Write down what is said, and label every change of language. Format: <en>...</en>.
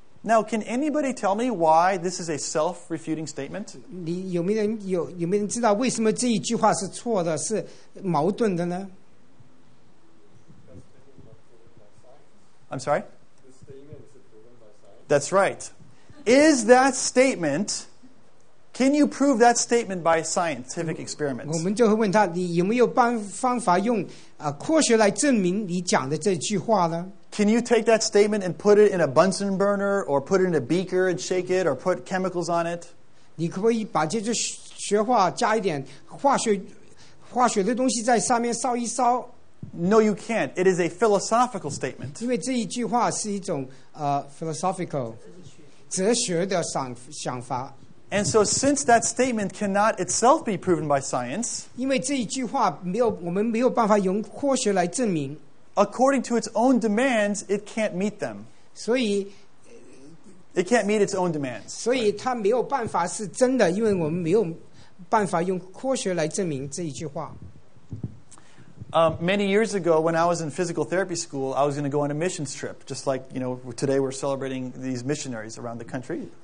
<en>Now, can anybody tell me why this is a self-refuting statement?</en> <zh>你有没有人知道为什么这一句话是错的，是矛盾的呢？</zh> <en>I'm sorry? That's right. Is that statement... Can you prove that statement by scientific experiments?</en> <zh>我们就会问他，你有没有方法用科学来证明你讲的这句话呢？</zh> <en>Can you take that statement and put it in a Bunsen burner, or put it in a beaker and shake it, or put chemicals on it?</en> <zh>你可不可以把这句学话加一点化学的东西在上面烧一烧？</zh> <en>No, you can't. It is a philosophical statement.</en> <zh>因为这一句话是一种philosophical 哲学的想法。</zh> <en>And so since that statement cannot itself be proven by science,</en> <zh>因为这一句话我们没有办法用科学来证明，</zh> <en>according to its own demands, it can't meet them.</en> <zh>所以，</zh> <en>it can't meet its own demands.</en> <zh>所以它没有办法是真的，因为我们没有办法用科学来证明这一句话。</zh> <en>Many years ago, when I was in physical therapy school, I was going to go on a missions trip, just like, you know, today we're celebrating these missionaries around the country.</en>